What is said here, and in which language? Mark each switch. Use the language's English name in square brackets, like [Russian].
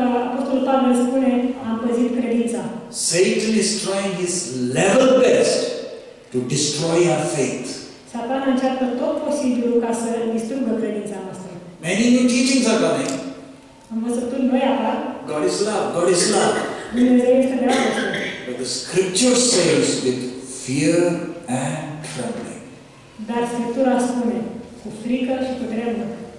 [Romanian] Apostolul Pavel spune, am păzit credința. [English] Satan is trying his level best to destroy our faith. [Romanian] Satana încearcă tot posibilul ca să distrugă credința noastră. [English] Many new teachings are coming. [Romanian] Învățături noi apar. [English] God is love, God is love. [Romanian] Dumnezeu este dragoste. [English] But the scripture says with fear and trembling. [Romanian] Dar Scriptura spune cu frică și cu tremură.